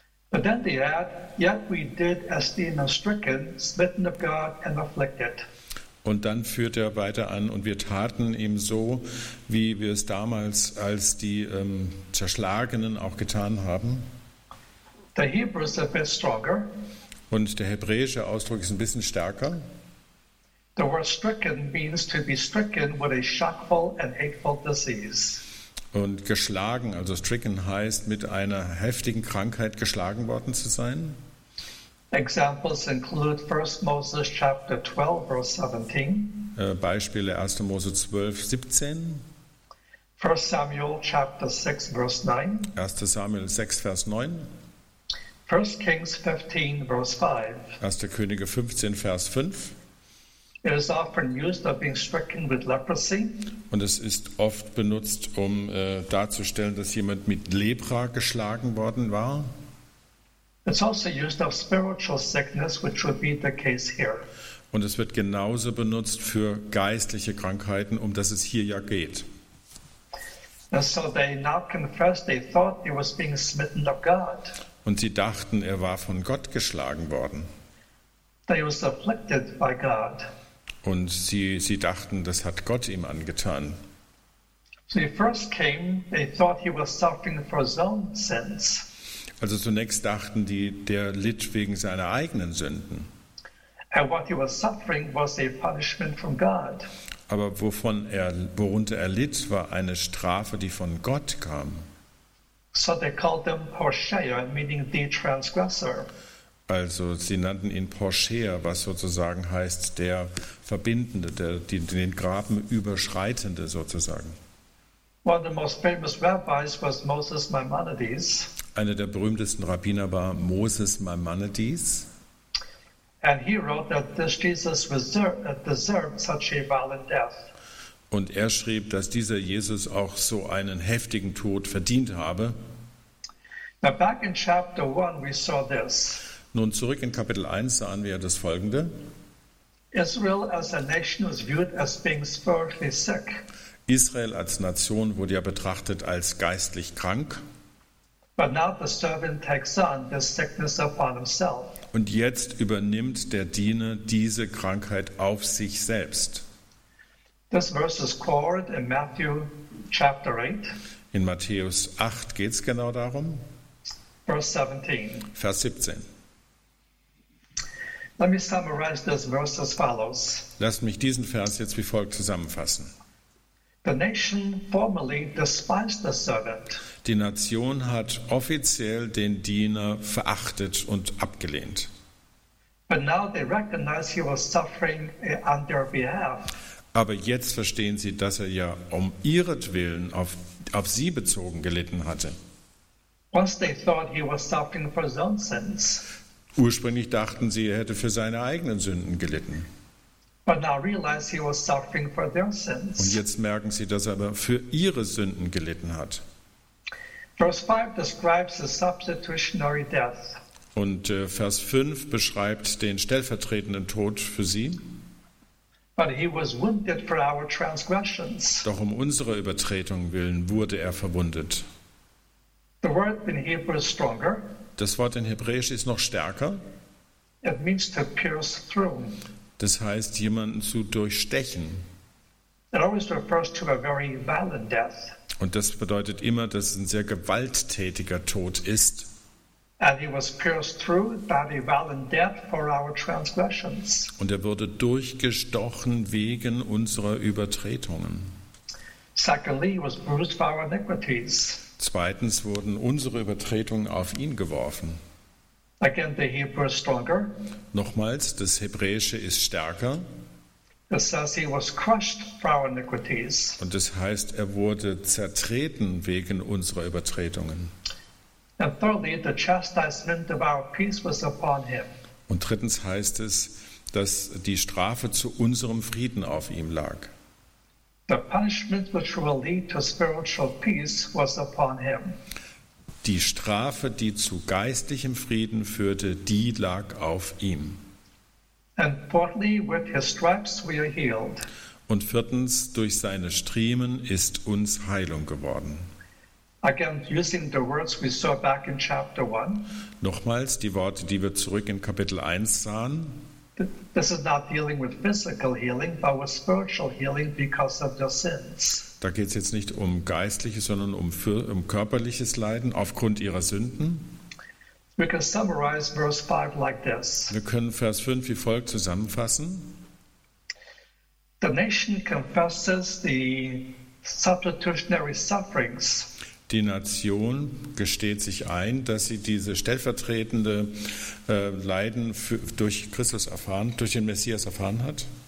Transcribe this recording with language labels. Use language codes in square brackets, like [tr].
[en] But then they add, yet we did esteem him stricken, smitten of God and afflicted. [de] Und dann führt er weiter an, und wir taten ihm so, wie wir es damals als die Zerschlagenen auch getan haben. [en] The Hebrew is a bit stronger. [de] Und der hebräische Ausdruck ist ein bisschen stärker. [en] The word stricken means to be stricken with a shockful and hateful disease. [de] Und geschlagen, also stricken heißt, mit einer heftigen Krankheit geschlagen worden zu sein. [en] Examples include 1 Moses chapter 12 verse 17. [de] Beispiele 1. Mose 12, 17. [en] 1 Samuel chapter 6 verse 9. [de] 1. Samuel 6 vers 9. [en] 1 Kings 15 verse 5. [de] 1. Könige 15 vers 5. [en] It is often used of being stricken with leprosy. [de] Und es ist oft benutzt, um darzustellen, dass jemand mit Lepra geschlagen worden war. [en] It's also used of spiritual sickness, which would be the case here. [de] Und es wird genauso benutzt für geistliche Krankheiten, um das es hier ja geht. [en] And so they now confessed they thought he was being smitten of God. [de] Und sie dachten, er war von Gott geschlagen worden. [en] That he was afflicted by God. [de] Und sie dachten, das hat Gott ihm angetan. [en] So he first came, they thought he was suffering for his own sins. [de] Also zunächst dachten die, der litt wegen seiner eigenen Sünden. [en] And what he was suffering was a punishment from God. [de] Aber worunter er litt, war eine Strafe, die von Gott kam. [en] So they called him Poshea, meaning the transgressor. [de] Also sie nannten ihn Poshea, was sozusagen heißt der Verbindende, den Graben Überschreitende sozusagen. [en] One of the most famous rabbis was Moses Maimonides. [de] Einer der berühmtesten Rabbiner war Moses Maimonides. [en] And he wrote that this Jesus deserved such a violent death. [de] Und er schrieb, dass dieser Jesus auch so einen heftigen Tod verdient habe. [en] Now back in chapter 1 we saw this. [de] Nun zurück in Kapitel 1 sahen wir das Folgende. [en] Israel as a nation was viewed as being spiritually sick. [de] Israel als Nation wurde ja betrachtet als geistlich krank. [en] But now the servant takes on this sickness upon himself. [de] Und jetzt übernimmt der Diener diese Krankheit auf sich selbst. [en] This verse is quoted in Matthew chapter 8. [de] In Matthäus 8 geht es genau darum. [en] Verse 17. [de] Vers 17. [en] Let me summarize this verse as follows. [de] Lasst mich diesen Vers jetzt wie folgt zusammenfassen. [en] The nation formally despised the servant. [de] Die Nation hat offiziell den Diener verachtet und abgelehnt. [en] But now they recognize he was suffering on their behalf. [de] Aber jetzt verstehen sie, dass er ja um ihretwillen auf sie bezogen gelitten hatte. [en] Once they thought he was suffering for his own sins. [de] Ursprünglich dachten sie, er hätte für seine eigenen Sünden gelitten. [en] But now realize he was suffering for their sins. [de] Und jetzt merken sie, dass er aber für ihre Sünden gelitten hat. [en] Verse 5 describes the substitutionary death. [de] Und Vers 5 beschreibt den stellvertretenden Tod für sie. [en] But he was wounded for our transgressions. [de] Doch um unsere Übertretung willen wurde er verwundet. [en] The word in Hebrew is stronger. [de] Das Wort in Hebräisch ist noch stärker. [en] It means to pierce through. [de] Das heißt, jemanden zu durchstechen. [en] It always refers to a very violent death. [de] Und das bedeutet immer, dass es ein sehr gewalttätiger Tod ist. [en] And he was pierced through by a violent death for our transgressions. [de] Und er wurde durchgestochen wegen unserer Übertretungen. [en] Secondly, he was bruised for our iniquities. [de] Zweitens wurden unsere Übertretungen auf ihn geworfen. [en] Again, the Hebrew is stronger. [de] Nochmals, das Hebräische ist stärker. [en] It says he was crushed for our iniquities. [de] Und das heißt, er wurde zertreten wegen unserer Übertretungen. [en] And thirdly, the chastisement of our peace was upon him. [de] Und drittens heißt es, dass die Strafe zu unserem Frieden auf ihm lag. [en] The punishment which will lead to spiritual peace was upon him. [de] Die Strafe, die zu geistlichem Frieden führte, die lag auf ihm. [en] And fourthly, with his stripes we are healed. [de] Und viertens, durch seine Striemen ist uns Heilung geworden. [en] Again, using the words we saw back in chapter 1. [de] Nochmals die Worte, die wir zurück in Kapitel 1 sahen. [en] This is not dealing with physical healing, but with spiritual healing because of their sins. [de] Da geht es jetzt nicht um geistliches, sondern um körperliches Leiden aufgrund ihrer Sünden. [en] We can summarize verse 5 like this. [de] Wir können Vers 5 wie folgt zusammenfassen. [en] The nation confesses the substitutionary sufferings. [de] Die Nation gesteht sich ein, dass sie diese stellvertretende Leiden durch Christus erfahren, durch den Messias erfahren hat.